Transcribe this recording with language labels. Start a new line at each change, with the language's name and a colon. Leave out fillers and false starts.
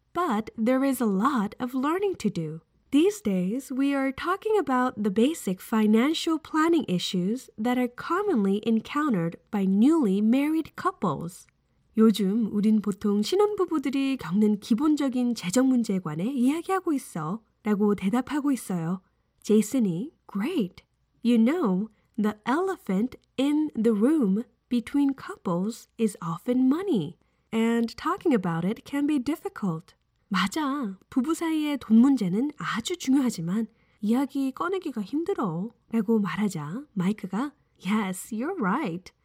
English: But there is a lot of learning to do. These days, we are talking about the basic financial planning issues that are commonly encountered by newly married couples.
Korean: 요즘 우린 보통 신혼부부들이 겪는 기본적인 재정 문제에 관해 이야기하고 있어 라고 대답하고 있어요. 제이슨이
English: Great! You know, the elephant in the room between couples is often money. And talking about it can be difficult.
Korean: 맞아, 부부 사이의 돈 문제는 아주 중요하지만 이야기 꺼내기가 힘들어 라고 말하자 마이크가
English: Yes, you're right!